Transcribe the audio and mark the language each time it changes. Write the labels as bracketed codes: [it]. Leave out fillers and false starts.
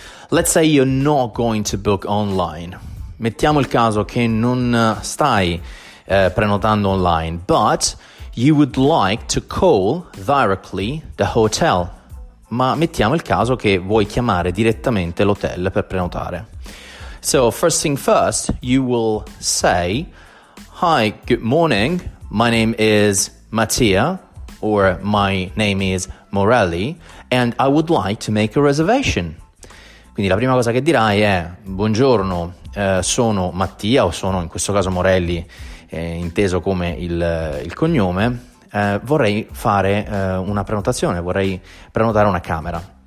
[en] Let's say you're not going to book online. [it] Mettiamo il caso che non stai prenotando online, [en] but you would like to call directly the hotel. [it] Ma mettiamo il caso che vuoi chiamare direttamente l'hotel per prenotare. [en] So first thing first, you will say, "Hi, good morning. My name is Mattia, or my name is Morelli, and I would like to make a reservation." [it] Quindi la prima cosa che dirai è: "Buongiorno, sono Mattia, o sono in questo caso Morelli, inteso come il cognome. Vorrei fare una prenotazione. Vorrei prenotare una camera."